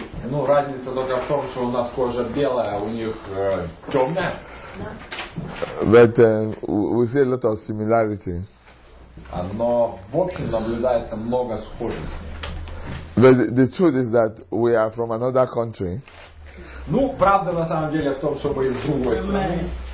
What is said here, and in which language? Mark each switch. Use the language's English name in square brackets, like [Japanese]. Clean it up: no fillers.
[Russian] Ну, разница только в том, что у нас кожа белая, а у них темная. [English] But we see a lot of similarity. [Russian] Но в общем наблюдается много схожести. [English] But the truth is that we are from another country. [Russian] Ну, правда на самом деле в том, что мы из другой страны.